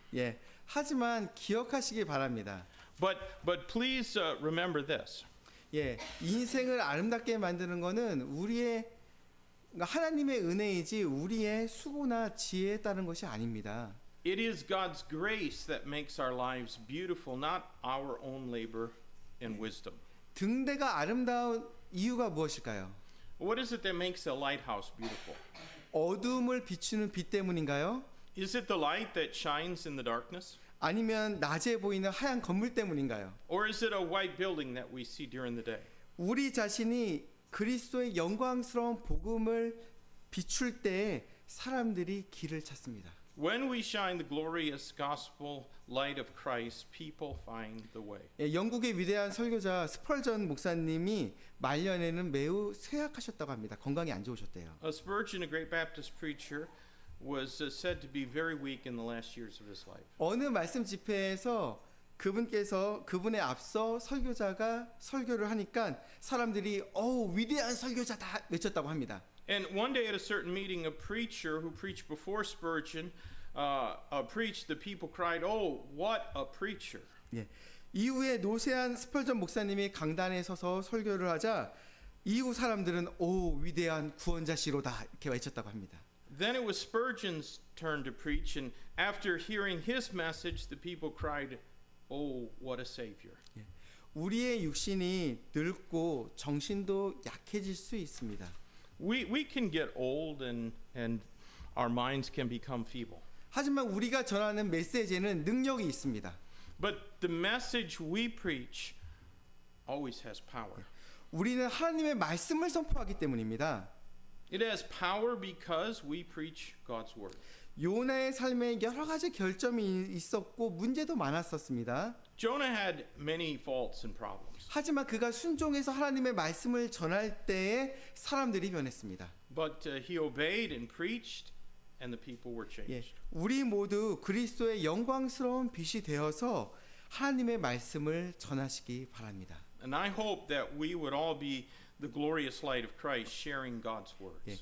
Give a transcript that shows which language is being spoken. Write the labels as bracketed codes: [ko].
[ko] 예, 하지만 기억하시기 바랍니다. [en] But please remember this. [ko] 예, 인생을 아름답게 만드는 것은 우리의 하나님의 은혜이지 우리의 수고나 지혜에 따른 것이 아닙니다. [en] It is God's grace that makes our lives beautiful, not our own labor and wisdom. [ko] 등대가 아름다운 이유가 무엇일까요? [en] What is it that makes a lighthouse beautiful? [ko] 어둠을 비추는 빛 때문인가요? [en] Is it the light that shines in the darkness? [ko] 아니면 낮에 보이는 하얀 건물 때문인가요? [en] Or is it a white building that we see during the day? [ko] 우리 자신이 그리스도의 영광스러운 복음을 비출 때 사람들이 길을 찾습니다. [en] When we shine the glorious gospel light of Christ, people find the way. [ko] 예, 영국의 위대한 설교자 스펄전 목사님이 말년에는 매우 쇠약하셨다고 합니다. 건강이 안 좋으셨대요. [en] A Spurgeon, a great Baptist preacher, was said to be very weak in the last years of his life. [ko] 어느 말씀 집회에서 그분께서 그분에 앞서 설교자가 설교를 하니까 사람들이 어우 위대한 설교자다 외쳤다고 합니다. [en] And one day at a certain meeting, a preacher who preached before Spurgeon preached. The people cried, "Oh, what a preacher!" [ko] 예, 이후에 노세한 스펄전 목사님이 강단에 서서 설교를 하자 이후 사람들은 오 위대한 구원자시로다 이렇게 외쳤다고 합니다. [en] Then it was Spurgeon's turn to preach, and after hearing his message, the people cried, "Oh, what a savior!" [ko] 예, 우리의 육신이 늙고 정신도 약해질 수 있습니다. [en] We can get old and our minds can become feeble. [ko] 하지만 우리가 전하는 메시지는 능력이 있습니다. [en] But the message we preach always has power. [ko] 우리는 하나님의 말씀을 선포하기 때문입니다. [en] It has power because we preach God's word. [ko] 요나의 삶에 여러 가지 결점이 있었고 문제도 많았었습니다. [en] Jonah had many faults and problems. [ko] 하지만 그가 순종해서 하나님의 말씀을 전할 때에 사람들이 변했습니다. [en] But he obeyed and preached, and the people were changed. [ko] 예, 우리 모두 그리스도의 영광스러운 빛이 되어서 하나님의 말씀을 전하시기 바랍니다. [en] And I hope that we would all be the glorious light of Christ, sharing God's words.